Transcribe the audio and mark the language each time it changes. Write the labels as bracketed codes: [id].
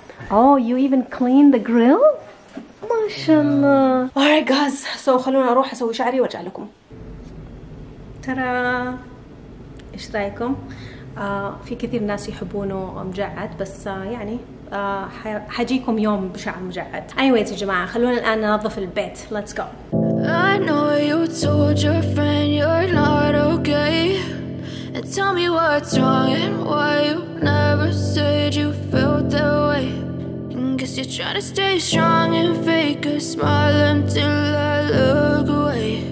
[en] Oh, you even cleaned the grill? [ar] ما شاء الله. [en] Alright guys, so [ar] خلونا أروح أسوي شعري وأرجع لكم. ترى. إيش رأيكم؟ في كثير ناس يحبونه مجعد، بس يعني حجيكم يوم بشعر مجعد. Anyways يا جماعة، خلونا الآن ننظف البيت. [en] Let's go. I know you told your friend you're not okay. And tell me what's wrong and why you never said you felt that way. And guess you're trying to stay strong and fake a smile until I look away.